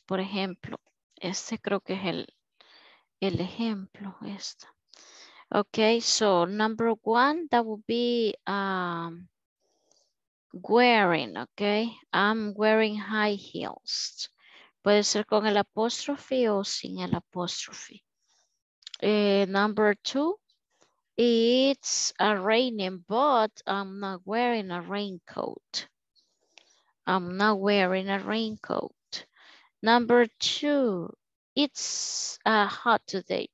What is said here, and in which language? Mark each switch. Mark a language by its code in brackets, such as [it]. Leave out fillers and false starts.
[es] Por ejemplo, este creo que es el ejemplo. Este. [en] Ok, so number one, that would be wearing, ok. I'm wearing high heels. [es] Puede ser con el apóstrofe o sin el apóstrofe. [en] Number two, it's a raining, but I'm not wearing a raincoat. I'm not wearing a raincoat. Number two, it's hot today.